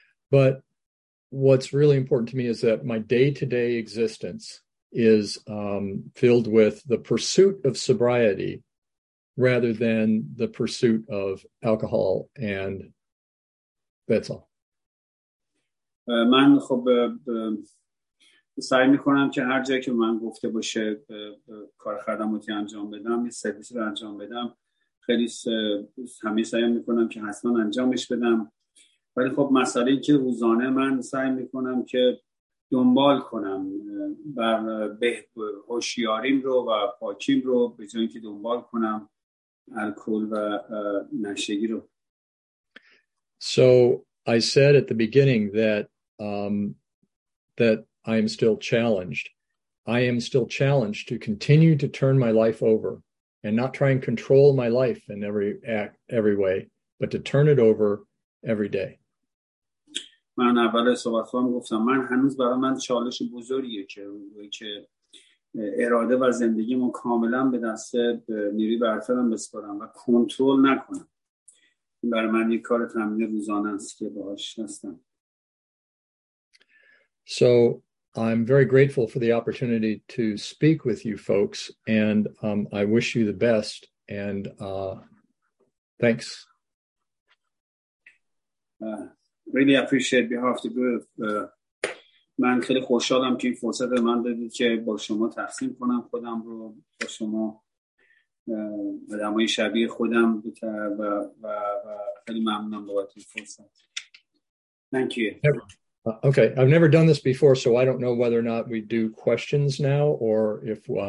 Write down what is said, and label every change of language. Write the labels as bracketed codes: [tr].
[en] But what's really important to me is that my day-to-day existence is filled with the pursuit of sobriety rather than the pursuit of alcohol, and that's all. [fa] من خب سعی میکنم که هر جایی که من گفته باشه کار خدماتی انجام بدم، یه سرویس رو انجام بدم، خیلی همه سعی میکنم که حتما انجامش بدم. ولی خب مسئله این که روزانه من سعی میکنم که دنبال کنم بر هوشیاریم رو و پاکیم رو به جای اینکه دنبال کنم الکل و نشگی رو. [en] So I said at the beginning that I am still challenged. I am still challenged to continue to turn my life over and not try and control my life in every way, but to turn it over every day. [fa] من اول صحبت هم گفتم من هنوز برای من چالش بزرگیه که اراده و زندگیمو کاملا به دست نیروی برترم بسپارم و کنترل نکنم. برای من یک کار تمرین روزانه است که باهاش هستم. [en] So I'm very grateful for the opportunity to speak with you folks, and I wish you the best, and thanks. Really appreciate behalf the group. [fa] من خیلی خوشحالم که این فرصت به من دادید که با شما تقسیم کنم خودم رو با شما و آدمای شبیه خودم بتر و خیلی ممنونم بابت این فرصت. [en] Thank you. Okay, I've never done this before, so I don't know whether or not we do questions now or if